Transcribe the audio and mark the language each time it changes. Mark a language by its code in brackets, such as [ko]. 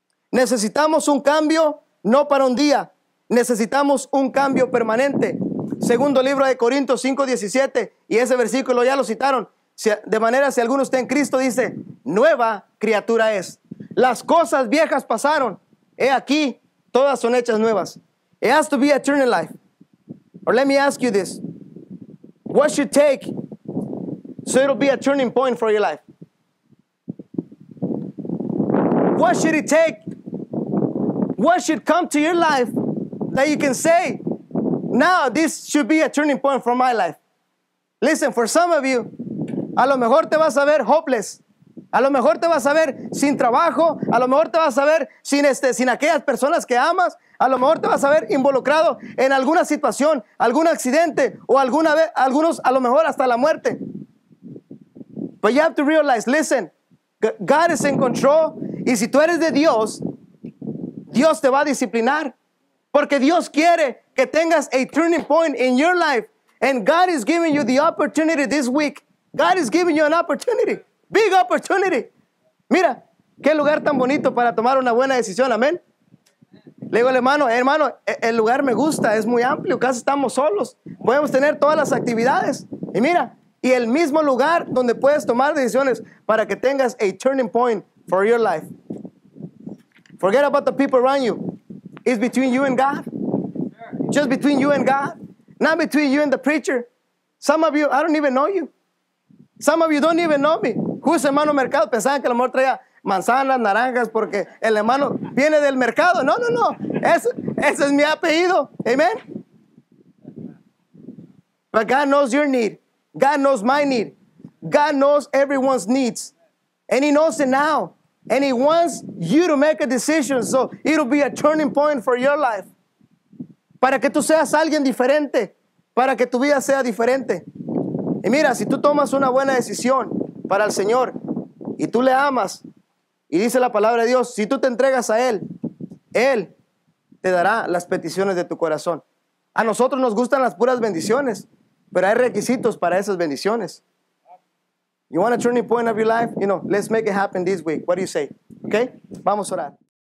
[es] Necesitamos un cambio, no para un día. Necesitamos un cambio permanente. Segundo libro de Corintios 5:17, y ese versículo ya lo citaron. De manera, si alguno está en Cristo, dice, nueva criatura es. Las cosas viejas pasaron. He aquí, todas son hechas nuevas. [en] It has to be eternal life. Or let me ask you this. What should take So it'll be a turning point for your life. What should it take? What should come to your life that you can say, now this should be a turning point for my life? Listen, for some of you, [es] a lo mejor te vas a ver [en] hopeless. [es] A lo mejor te vas a ver sin trabajo. A lo mejor te vas a ver sin, sin aquellas personas que amas. A lo mejor te vas a ver involucrado en alguna situación, algún accidente, o alguna vez, algunos, a lo mejor hasta la muerte. [en] But you have to realize, listen, God is in control. [es] Y si tú eres de Dios, Dios te va a disciplinar. Porque Dios quiere que tengas [en] a turning point in your life. And God is giving you the opportunity this week. God is giving you an opportunity. Big opportunity. [es] Mira, qué lugar tan bonito para tomar una buena decisión. Amén. Le digo al hermano, hermano, el lugar me gusta, es muy amplio, casi estamos solos. Podemos tener todas las actividades. Y mira, y el mismo lugar donde puedes tomar decisiones para que tengas [en] a turning point for your life. Forget about the people around you. It's between you and God. Just between you and God. Not between you and the preacher. Some of you, I don't even know you. Some of you don't even know me. Who's hermano mercado? [es] Pensaban que el amor traía manzanas, naranjas, porque el hermano viene del mercado. No, no, no. Ese es mi apellido. Amen. [en] But God knows your need. God knows my need. God knows everyone's needs. And He knows it now. And He wants you to make a decision so it'll be a turning point for your life. [es] Para que tú seas alguien diferente. Para que tu vida sea diferente. Y mira, si tú tomas una buena decisión para el Señor y tú le amas, y dice la palabra de Dios, si tú te entregas a Él, Él te dará las peticiones de tu corazón. A nosotros nos gustan las puras bendiciones, pero hay requisitos para esas bendiciones. [en] You want a turning point of your life? You know, let's make it happen this week. What do you say? Okay? [es] Vamos a orar.